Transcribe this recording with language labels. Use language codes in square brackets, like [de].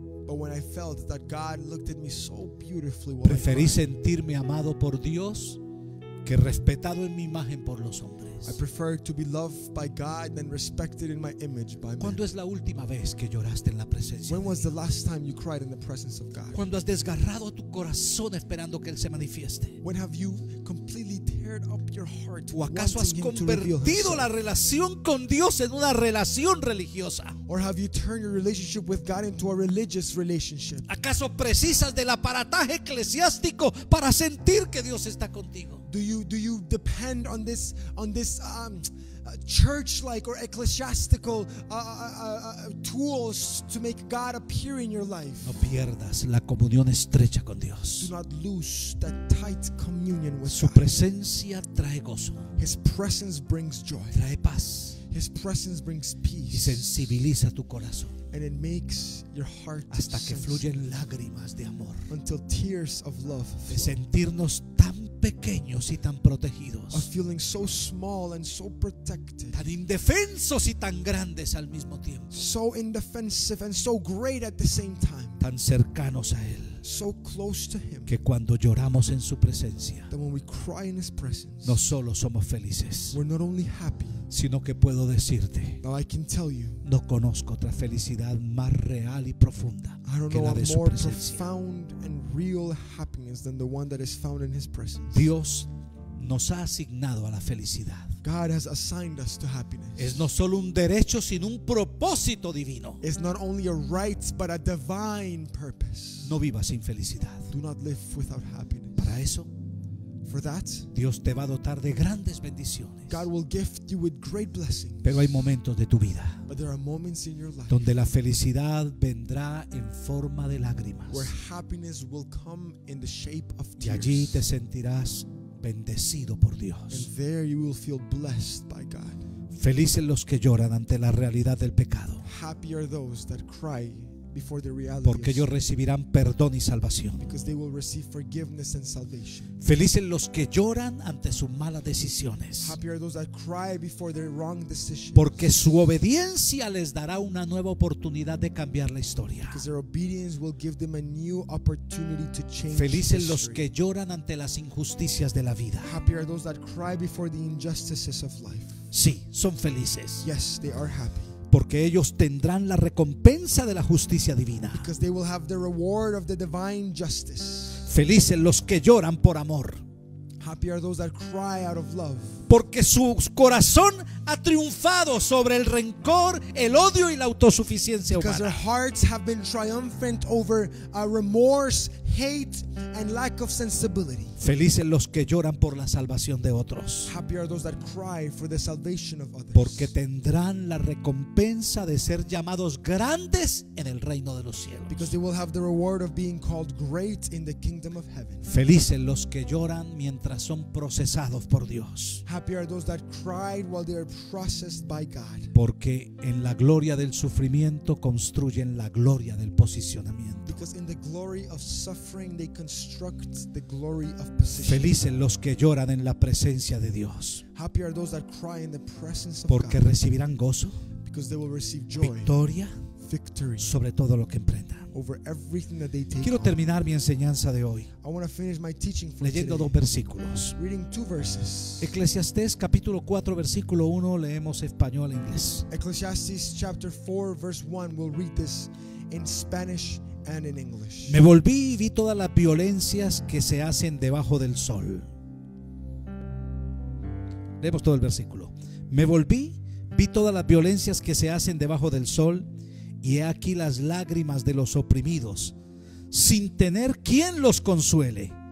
[en] But when I felt that God looked at me so beautifully while [es] preferí sentirme amado por Dios que respetado en mi imagen por los hombres. [en] I prefer to be loved by God than respected in my image by men. [es] ¿Cuándo es la última vez que lloraste en la presencia? [en] When was the last time you cried in the presence of God? [es] ¿Cuándo has desgarrado tu corazón esperando que él se manifieste? [en] When have you completely teared up your heart? [es] ¿O acaso has convertido la relación con Dios en una relación religiosa? [en] Or have you turned your relationship with God into a religious relationship? [es] ¿Acaso precisas del aparataje eclesiástico para sentir que Dios está contigo? [en] Do you depend on this church-like or ecclesiastical tools to make God appear in your life? [es] No pierdas la comunión estrecha con Dios. [en] Do not lose that tight communion with [es] Su presencia [en] God. [es] Trae gozo. [en] His presence brings joy. [es] Trae paz. [en] His presence brings peace. [es] Y sensibiliza tu corazón. [en] And it makes your heart [es] hasta que fluyen lágrimas de amor. [en] Until tears of love flow. [es] De sentirnos tan pequeños y tan protegidos. [en] Of feeling so small and so protected. [es] Tan indefensos y tan grandes al mismo tiempo. [en] So indefensive and so great at the same time. [es] Tan cercanos a él. [en] so close to him, [es] que cuando lloramos en su presencia, [en] that when we cry in his presence, [es] no solo somos felices, [en] we're not only happy, [es] sino que puedo decirte, [en] now I can tell you, [es] no conozco otra felicidad más real y profunda que la de su presencia. [en] I don't know a more profound and real happiness than the one that is found in his presence. [es] Dios nos ha asignado a la felicidad. [en] God has assigned us to happiness. [es] Es no solo un derecho, sino un propósito divino. [en] It's not only a right, but a divine purpose. [es] No vivas sin felicidad. [en] Do not live without happiness. [es] Para eso, [en] for that, [es] Dios te va a dotar de grandes bendiciones. [en] God will gift you with great blessings. [es] Pero hay momentos de tu vida, [en] but there are moments in your life, [es] donde la felicidad vendrá en forma de lágrimas, [en] where happiness will come in the shape of tears. [es] Y allí te sentirás bendecido por Dios. [en] And there you will feel blessed by God. [es] Felices los que lloran ante la realidad del pecado. [en] Happy are those that cry before the reality. [es] Porque ellos recibirán perdón y salvación. [en] Because they will receive forgiveness and salvation. [es] Felices los que lloran ante sus malas decisiones. [en] Happy are those that cry before their wrong decisions. [es] Porque su obediencia les dará una nueva oportunidad de cambiar la historia. [en] Because their obedience will give them a new opportunity to change. [es] Felices los que lloran ante las injusticias de la vida. [en] Happy are those that cry before the injustices of life. [es] Sí, son felices. [en] Yes, they are happy. [es] Porque ellos tendrán la recompensa de la justicia divina. [en] Because they will have the reward of the divine justice. [es] Felices los que lloran por amor. [en] Happy are those that cry out of love. [es] Porque su corazón ha triunfado sobre el rencor, el odio y la autosuficiencia humana. [en] Because their hearts have been triumphant over a remorse, hate and lack of sensibility. [es] Felices los que lloran por la salvación de otros. [en] Happy are those that cry for the salvation of others. [es] Porque tendrán la recompensa de ser llamados grandes en el reino de los cielos. [en] Because they will have the reward of being called great in the kingdom of heaven. [es] Felices los que lloran mientras son procesados por Dios. [en] Happy are those that cried while they are processed by God. [es] Porque en la gloria del sufrimiento construyen la gloria del posicionamiento. [en] Because in the glory of suffering they construct the glory of position. [es] Felices los que lloran en la presencia de Dios. [en] Happy are those that cry in the presence of [es] porque [en] God. [es] Porque recibirán gozo. [en] Because they will receive joy. [es] Victoria. [en] Victory. [es] Sobre todo lo que emprendan. [en] Over everything that they take. [es] Quiero terminar [en] on. [es] Mi enseñanza de hoy. [en] I want to finish my teaching for [es] leyendo [en] today. [es] Dos versículos. [en] Reading two verses. [es] Eclesiastés capítulo 4 versículo 1 leemos español e inglés. [en] Ecclesiastes chapter 4 verse 1 we'll read this in Spanish. And in English. [es] Me volví y vi todas las violencias que se hacen debajo del sol. Leemos todo el versículo. Me volví, vi todas las violencias que se hacen debajo del sol, y he aquí las lágrimas de los oprimidos, sin tener quien los consuele.